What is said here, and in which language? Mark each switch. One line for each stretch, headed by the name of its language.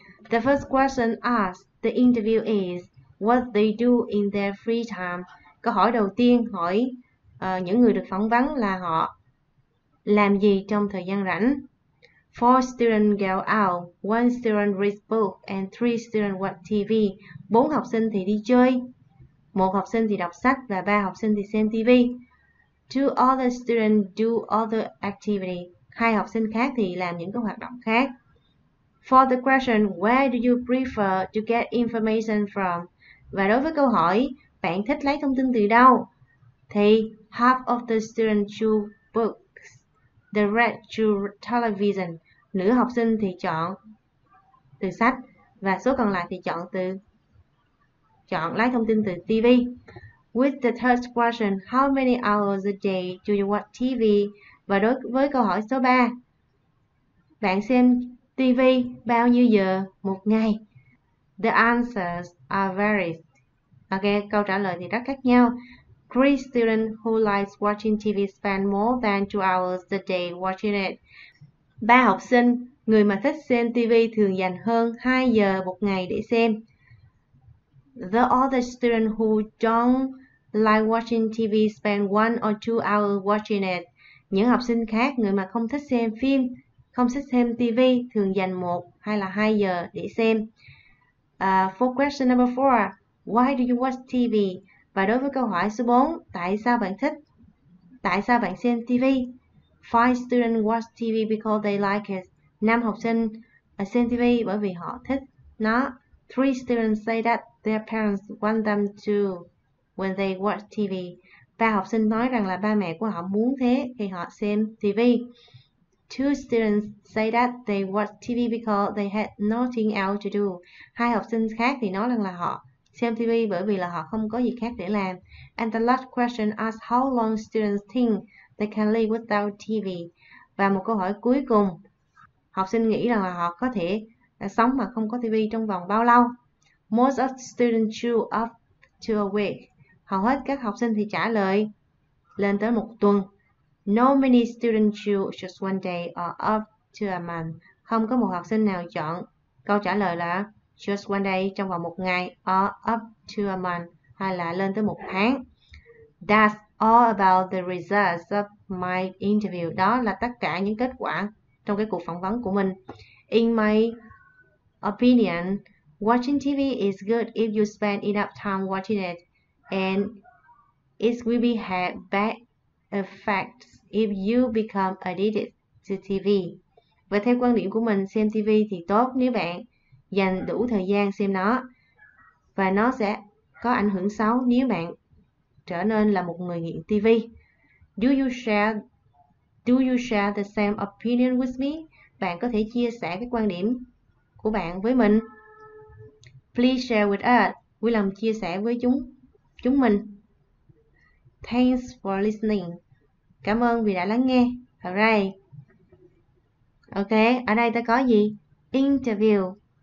English: The first question asked the interview is what they do in their free time.
Vietnamese: Câu hỏi đầu tiên hỏi những người được phỏng vấn là họ làm gì trong thời gian rảnh.
English: 4 students go out, 1 student read book and 3 student watch TV.
Vietnamese: 4 học sinh thì đi chơi, 1 học sinh thì đọc sách và 3 học sinh thì xem TV.
English: 2 other students do other activity.
Vietnamese: 2 học sinh khác thì làm những cái hoạt động khác.
English: For the question, where do you prefer to get information from?
Vietnamese: Và đối với câu hỏi, bạn thích lấy thông tin từ đâu? Thì
English: half of the students choose books, the rest choose television.
Vietnamese: Nửa học sinh thì chọn từ sách và số còn lại thì chọn lấy thông tin từ TV.
English: With the third question, how many hours a day do you watch TV?
Vietnamese: Và đối với câu hỏi số 3, bạn xem TV bao nhiêu giờ một ngày?
English: The answers are varied. Ok,
Vietnamese: câu trả lời thì rất khác nhau.
English: 3 students who likes watching TV spend more than 2 hours a day watching it.
Vietnamese: 3 học sinh, người mà thích xem TV thường dành hơn 2 giờ một ngày để xem.
English: The other students who don't like watching TV spend 1 or 2 hours watching it.
Vietnamese: Những học sinh khác, người mà không thích xem phim, không thích xem TV thường dành 1 hay là 2 giờ để xem.
English: For question number 4, why do you watch TV?
Vietnamese: Và đối với câu hỏi số 4, tại sao bạn xem TV?
English: 5 students watch TV because they like it.
Vietnamese: 5 học sinh xem TV bởi vì họ thích nó.
English: 3 students say that their parents want them to when they watch TV.
Vietnamese: 3 học sinh nói rằng là ba mẹ của họ muốn thế khi họ xem TV.
English: 2 students say that they watch TV because they had nothing else to do.
Vietnamese: 2 học sinh khác thì nói rằng là họ xem TV bởi vì là họ không có gì khác để làm.
English: And the last question asks how long students think they can live without TV.
Vietnamese: Và một câu hỏi cuối cùng, học sinh nghĩ rằng là họ có thể sống mà không có TV trong vòng bao lâu?
English: Most of students choose up to a week.
Vietnamese: Hầu hết các học sinh thì trả lời lên tới một tuần.
English: No many students choose just one day or up to a month.
Vietnamese: Không có một học sinh nào chọn câu trả lời là
English: just one day,
Vietnamese: trong vòng một ngày,
English: or up to a month,
Vietnamese: hay là lên tới một tháng.
English: That's all about the results of my interview.
Vietnamese: Đó là tất cả những kết quả trong cái cuộc phỏng vấn của mình.
English: In my opinion, watching TV is good if you spend enough time watching it, and it will be had bad effects if you become addicted to TV.
Vietnamese: Và theo quan điểm của mình, xem TV thì tốt nếu bạn dành đủ thời gian xem nó, và nó sẽ có ảnh hưởng xấu nếu bạn trở nên là một người nghiện TV.
English: Do you share the same opinion with me?
Vietnamese: Bạn có thể chia sẻ cái quan điểm của bạn với mình.
English: Please share with us.
Vietnamese: Vui lòng chia sẻ với chúng mình.
English: Thanks for listening.
Vietnamese: Cảm ơn vì đã lắng nghe.
English: Alright.
Vietnamese: Ok, ở đây ta có gì? Interview.